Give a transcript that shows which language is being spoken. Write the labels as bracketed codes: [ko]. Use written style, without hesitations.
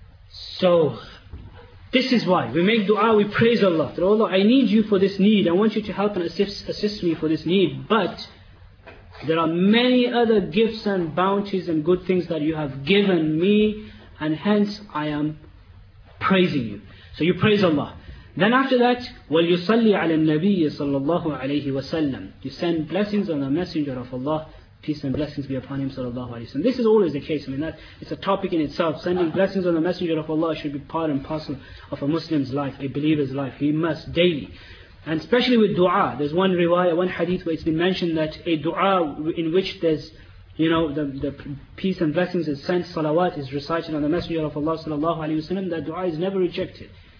[en] So, this is why we make du'a. We praise Allah. That, "Oh Allah, I need you for this need. I want you to help and assist me for this need. But there are many other gifts and bounties and good things that you have given me, and hence I am praising you." So you praise Allah. Then after that, [ar] وَلْيُصَلِّ عَلَى النَّبِيِّ صَلَّى اللَّهُ عَلَيْهِ وَسَلَّمْ. [en] You send blessings on the Messenger of Allah, peace and blessings be upon him, sallallahu alayhi wa sallam. This is always the case. I mean, that it's a topic in itself. Sending blessings on the Messenger of Allah should be part and parcel of a Muslim's life, a believer's life. He must daily. And especially with dua, there's one riwayah, one hadith where it's been mentioned that a dua in which there's, you know, the peace and blessings is sent, salawat is recited on the Messenger of Allah sallallahu alayhi wa sallam, that dua is never rejected.